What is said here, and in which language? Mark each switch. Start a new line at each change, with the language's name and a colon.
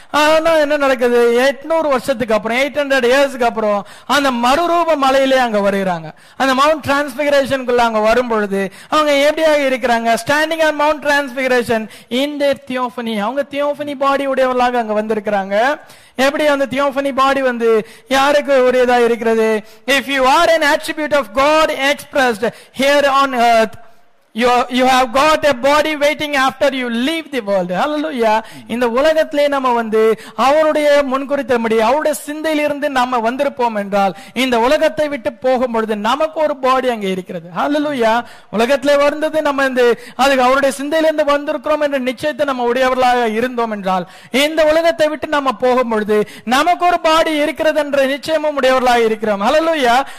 Tamil: ஆனா என்ன நடக்குது? 800 வருஷத்துக்கு அப்புறம், 800 இயர்ஸ்க்கு அப்புறம் அந்த மறுரூப மலையிலே அங்க வருகிறாங்க. அந்த மவுண்ட் டிரான்ஸ்பிகரேஷனுக்குள்ள அங்க வரும்பொழுது அவங்க எப்படியாக இருக்கிறாங்க?
English: Standing on mount transfiguration in their theophany.
Tamil: அவங்க தியோபனி பாடி உடையவர்களாக அங்க வந்திருக்கிறாங்க. எப்படி அந்த தியோபனி பாடி வந்து யாருக்கு உரியதா இருக்கிறது?
English: If you are an attribute of God expressed here on earth, You have got a body waiting after you leave the world. Hallelujah.
Tamil: இந்த உலகத்திலே நம்ம வந்து அவருடைய முன்குறித்தபடி அவருடைய சிந்தையிலிருந்து நம்ம வந்திருப்போம் என்றால் இந்த உலகத்தை விட்டு போகும் பொழுது நமக்கு ஒரு பாடி அங்கே இருக்கிறது. Hallelujah. உலகத்திலே வந்தது நம்ம வந்து அதுக்கு அவருடைய சிந்தையிலிருந்து வந்திருக்கிறோம் என்ற நிச்சயத்தை நம்ம உடையவர்களாக இருந்தோம் என்றால் இந்த உலகத்தை விட்டு நம்ம போகும் பொழுது நமக்கு ஒரு பாடி இருக்கிறது என்ற நிச்சயமும் உடையவர்களாக இருக்கிறோம். Hallelujah.